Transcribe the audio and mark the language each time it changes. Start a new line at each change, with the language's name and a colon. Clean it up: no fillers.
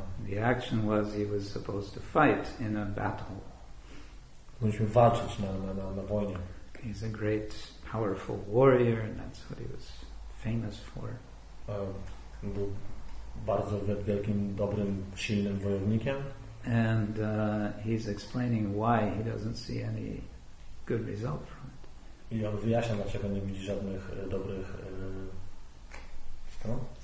English: The action was he was supposed to fight in a battle.
Polish: Musimy walczyć na wojnie.
English: He's a great, powerful warrior, and that's what he was famous for.
Polish: Był bardzo wielkim, dobrym, silnym wojownikiem.
English: And he's explaining why he doesn't see any good result from it.
Polish: I on wyjaśnia, dlaczego nie widzi żadnych dobrych stron.